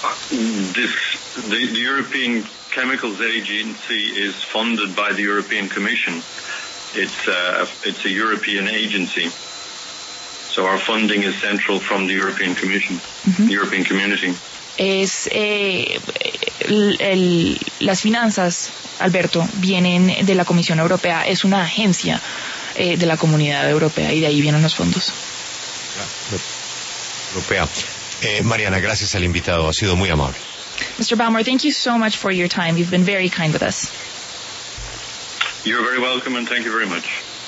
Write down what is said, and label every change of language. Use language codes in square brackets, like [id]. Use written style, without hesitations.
[en] The European Chemicals Agency is funded by the European Commission. It's a European agency. So our funding is central from the European Commission, mm-hmm. The European Community. [es] Es las finanzas, Alberto, vienen de la Comisión Europea, es una agencia de la Comunidad Europea, y de ahí vienen los fondos. Europea. Mariana, gracias al invitado, ha sido muy amable. [en] Mr. Baumer, thank you so much for your time. You've been very kind with us. You're very welcome, and thank you very much.